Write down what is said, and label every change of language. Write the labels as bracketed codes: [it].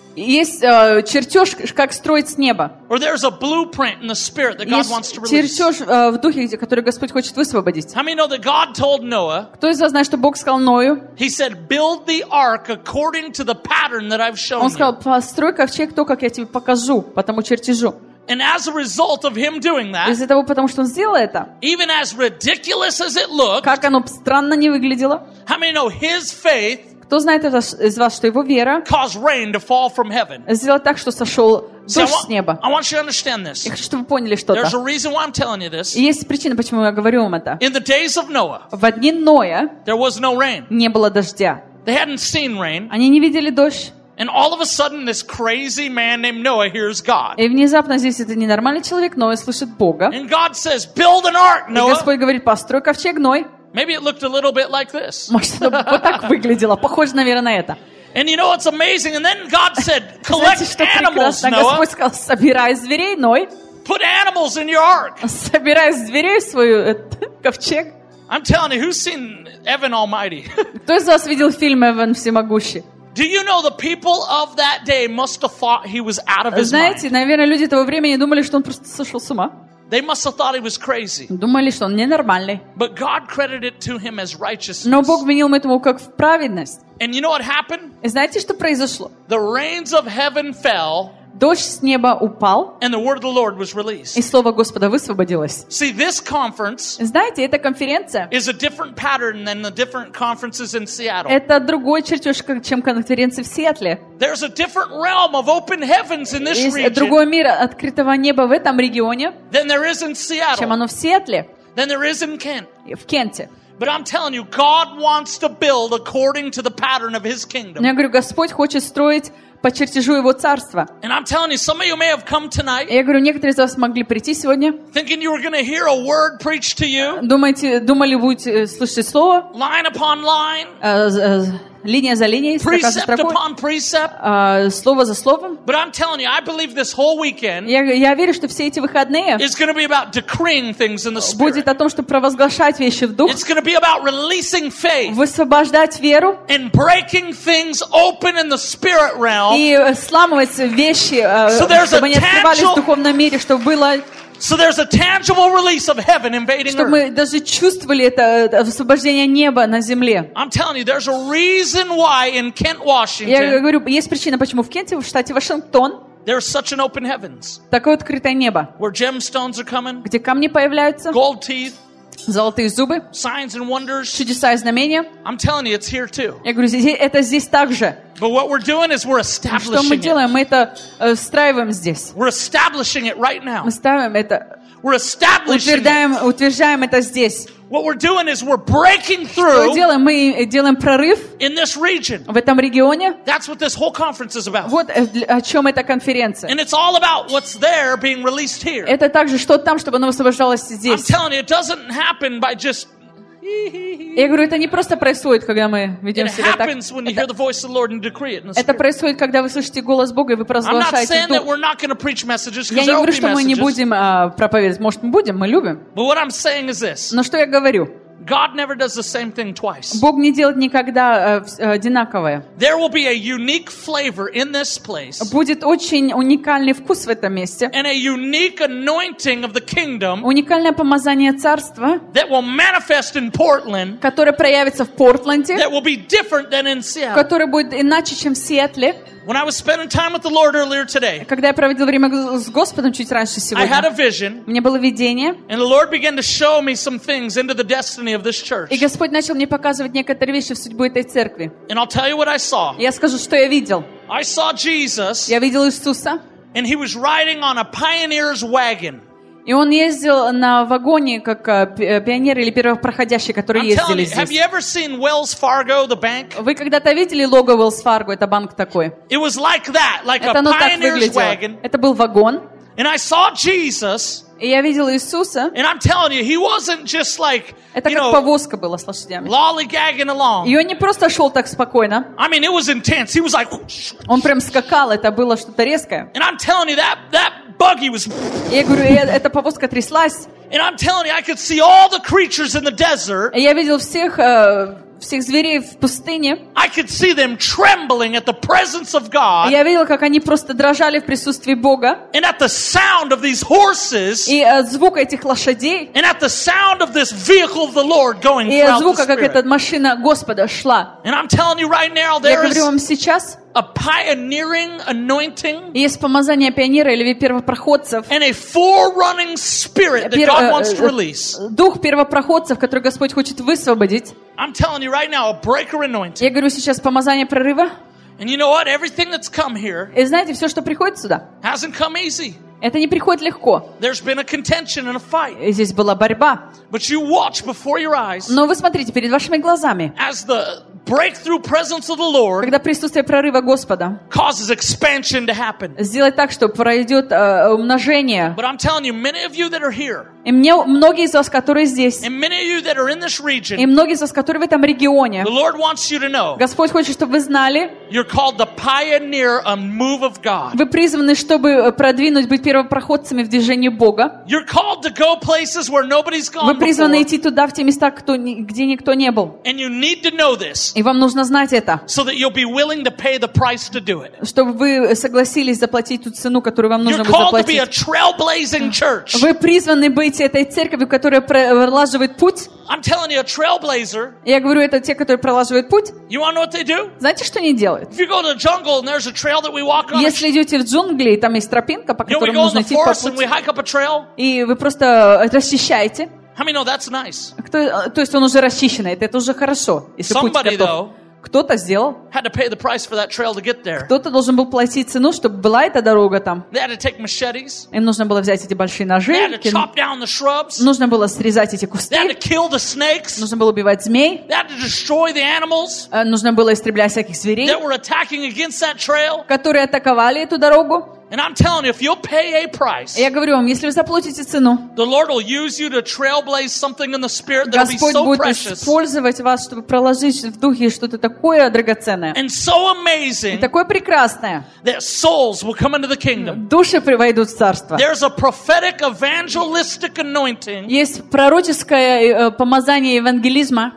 [ru] Есть чертеж, как строить с неба. [en] Or there's a blueprint in the spirit that God wants to release. [ru] Есть чертеж в духе, который Господь хочет высвободить. [en] How many know that God told Noah? [ru] Кто из вас знает, что Бог сказал Ною? [en] He said, "Build the ark according to the pattern that I've shown you." [ru] Он сказал, построй ковчег то, как я тебе покажу, по тому чертежу. [en] And as a result of him doing that, [ru] из-за того, потому что он сделал это, [en] even as ridiculous as it looked, [ru] как оно странно не выглядело, [en] how many know his faith? [ru] Кто знает из вас, что его вера сделала так, что сошел дождь с неба? [en] I want you to understand this. [ru] Я хочу, чтобы вы поняли что-то. [en] There's a reason why I'm telling you this. [ru] И есть причина, почему я говорю вам это. [en] In the days of Noah, [ru] в дни Ноя [en] there was no rain. [ru] Не было дождя. [en] They hadn't seen rain. [ru] Они не видели дождь. [en] And all of a sudden, this crazy man named Noah hears God. [ru] И внезапно здесь этот ненормальный человек Ной слышит Бога. [en] And God says, "Build an ark, Noah." [ru] И Господь говорит, построй ковчег, Ной. [en] Maybe it looked a little bit like this. [ru] Может, это вот так выглядело, похоже, наверное, на это. [en] And you know what's amazing? And then God said, "Collect animals, Noah." [ru] Знаете, что прекрасно? Господь сказал, собирай зверей, Ной. [en] Put animals in your ark. [ru] Собирай зверей в свою ковчег. [en] I'm telling you, who's seen Evan Almighty? [ru] Кто из вас видел фильм Эван Всемогущий? [en] Do you know the people of that day must have thought he was out of his mind? [ru] Знаете, наверное, люди того времени думали, что он просто сошел с ума. [en] They must have thought he was crazy. [ru] Думали, что он ненормальный. [en] But God credited it to him as righteousness. [ru] Но Бог вменил ему как в праведность. [en] And you know what happened? [ru] И знаете, что произошло? [en] The rains of heaven fell. [ru] Дождь с неба упал. [en] And the word of the Lord was released. [ru] И слово Господа высвободилось. [en] See, this conference. [ru] Знаете, эта конференция. [en] Is a different pattern than the different conferences in Seattle. [ru] Это другой чертеж, чем конференции в Сиэтле. [en] There's a different realm of open heavens in this region. [ru] Есть другой мир открытого неба в этом регионе. [en] Than there is in Seattle. [ru] Чем оно в Сиэтле. [en] Than there is in Kent. [ru] В Кенте. [en] But I'm telling you, God wants to build according to the pattern of His kingdom. [ru] Но я говорю, Господь хочет строить по чертежу Его царства. [en] And I'm telling you, some of you may have come tonight. [ru] Я говорю, некоторые из вас могли прийти сегодня. [en] Thinking you were going to hear a word preached to you. [ru] Думали вы будете слышать слово. [en] Line upon line. [ru] Линия за линией, строка за строкой. [en] Precept upon precept. [ru] Слово за словом. [en] But I'm telling you, I believe this whole weekend. [ru] Я верю, что все эти выходные. [en] It's going to be about decreeing things in the spirit. [ru] Будет о том, чтобы провозглашать вещи в дух. [en] It's going to be about releasing faith. [ru] Высвобождать веру. [en] And breaking things open in the spirit realm. [ru] И сломывать вещи, чтобы они открывались в духовном мире, чтобы было. [en] So there's a tangible release of heaven invading earth. [ru] Чтобы мы даже чувствовали это освобождение неба на земле. [en] I'm telling you, there's a reason why in Kent, Washington. [ru] Я говорю, есть причина, почему в Кенте, в штате Вашингтон. [en] There's such an open heavens. [ru] Такое открытое небо. [en] Where gemstones are coming. [ru] Где камни появляются. [en] Gold teeth. [ru] Золотые зубы. [en] Signs and wonders. [ru] Чудеса и знамения. [en] I'm telling you, it's here too. [ru] Я говорю, здесь, это здесь также. [en] But what we're doing is we're establishing it. [ru] Что мы делаем? Мы это встраиваем здесь. [en] We're establishing it right now. [ru] Мы ставим это. [en] We're establishing it. [ru] Утверждаем это здесь. [en] What we're doing is we're breaking through. [ru] Что делаем? Мы делаем прорыв. [en] In this region. [ru] В этом регионе. [en] That's what this whole conference is about. [ru] Вот о чем эта конференция. [en] And it's all about what's there being released here. [ru] Это также что там, чтобы оно освобождалось здесь. [en] I'm telling you, it doesn't happen by just. [ru] Я говорю, это не просто происходит, когда мы ведем себя так. Это происходит, когда вы слышите голос Бога и вы провозглашаете Дух. [en] I'm not saying that we're not going to preach messages. [ru] Я не говорю, что мы не будем проповедовать. Может, мы будем, мы любим. [en] But what I'm saying is this. [ru] Но что я говорю? [en] God never does the same thing twice. [ru] Бог не делает никогда одинаковое. [en] There will be a unique flavor in this place. [ru] Будет очень уникальный вкус в этом месте. [en] And a unique anointing of the kingdom. [ru] Уникальное помазание царства. [en] That will manifest in Portland. [ru] Которое проявится в Портленде. [en] That will be different than in Seattle. [ru] Которое будет иначе, чем в Сиэтле. [en] When I was spending time with the Lord earlier today, [ru] когда я проводил время с Господом чуть раньше сегодня, [en] I had a vision, [ru] мне было видение, [en] and the Lord began to show me some things into the destiny of this church. [ru] И Господь начал мне показывать некоторые вещи в судьбу этой церкви. [en] And I'll tell you what I saw. [ru] Я скажу, что я видел. [en] I saw Jesus. [ru] Я видел Иисуса. [en] And he was riding on a pioneer's wagon. [ru] И он ездил на вагоне, как пионеры или первопроходящие, которые ездили здесь. [en] Have you ever seen Wells Fargo, the bank? [ru] Вы когда-то видели лого Wells Fargo? Это банк такой. [en] It was like that, like a pioneer's wagon. [ru] Это был вагон. [en] And I saw Jesus. [ru] И я видел Иисуса. [en] And I'm telling you, he wasn't just like, [ru] это как повозка была с лошадями. [en] Lollygagging along. [ru] И он не просто шел так спокойно. [en] I mean, it was intense. He was like. [ru] Он прям скакал. Это было что-то резкое. [en] And I'm telling you that. Buggy was. [ru] Я говорю, эта повозка тряслась. [en] And I'm telling you, I could see all the creatures in the desert. [ru] Я видел всех всех зверей в пустыне. [en] I could see them trembling at the presence of God. [ru] Я видел, как они просто дрожали в присутствии Бога. [en] And at the sound of these horses. [ru] И от звука этих лошадей. [en] And at the sound of this vehicle of the Lord going throughout the spirit. [ru] И от звука, как эта машина Господа шла. [en] And I'm telling you right now, there is. [ru] Я говорю вам сейчас. [en] A pioneering anointing. [ru] Есть помазание пионера или первопроходцев. [en] And a forerunning spirit that God wants to release. [ru] Дух первопроходцев, который Господь хочет высвободить. [en] I'm telling you right now, a breaker anointing. [ru] Я говорю сейчас помазание прорыва. [en] And you know what? Everything that's come here. [ru] И знаете, все, что приходит сюда. [en] Hasn't come easy. [ru] Это не приходит легко. [en] There's been a contention and a fight. [ru] Здесь была борьба. [en] But you watch before your eyes. [ru] Но вы смотрите перед вашими глазами. [en] As the breakthrough presence of the Lord. [ru] Когда присутствие прорыва Господа. [en] Causes expansion to happen. [ru] Сделать так, чтобы пройдет умножение. [en] But I'm telling you, many of you that are here. [ru] И мне многие из вас, которые здесь. [en] And many of you that are in this region. [ru] И многие из вас, которые в этом регионе. [en] The Lord wants you to know. [ru] Господь хочет, чтобы вы знали. [en] You're called the pioneer and move of God. [ru] Вы призваны, чтобы продвинуть, быть первопроходцами в движении Бога. [en] You're called to go places where nobody's gone. [ru] Вы призваны идти туда, в те места, где никто не был. [en] And you need to know this. [ru] И вам нужно знать это. [en] So that you'll be willing to pay the price to do it. [ru] Чтобы вы согласились заплатить ту цену, которую вам нужно заплатить. [en] You're called to be a trailblazing church. [ru] Вы призваны быть этой церковью, которая пролаживает путь. [en] I'm telling you, a trailblazer. [ru] Я говорю, это те, которые пролаживают путь. [en] You want to know what they do? [ru] Знаете, что они делают? [en] If you go to the jungle and there's a trail that we walk on. [ru] Если идете в джунгли, там есть тропинка, по которой нужно идти по пути. [en] You go in the forest and we hike up a trail. [ru] И вы просто расчищаете. [en] I mean, no, that's nice. [ru] То есть он уже расчищенный, это уже хорошо. [en] Somebody though. [ru] Кто-то сделал. [en] Had to pay the price for that trail to get there. [ru] Кто-то должен был платить цену, чтобы была эта дорога там. [en] They had to take machetes. [ru] Им нужно было взять эти большие ножи. [en] They had to chop down the shrubs. [ru] Нужно было срезать эти кусты. [en] They had to kill the snakes. [ru] Нужно было убивать змей. [en] They had to destroy the animals. [ru] Нужно было истреблять всяких зверей. [en] That were attacking against that trail. [ru] Которые атаковали эту дорогу. [en] And I'm telling you, if you'll pay a price, [ru] я говорю вам, если вы заплатите цену, [en] the Lord will use you to trailblaze something in the spirit that will be so [ru] Господь будет использовать вас, чтобы проложить в духе что-то такое драгоценное. [en] And so amazing, [ru] и такое прекрасное, [en] that souls will come into the kingdom. [ru] Души войдут в царство. [en] There's a prophetic evangelistic anointing. [ru] Есть пророческое помазание евангелизма.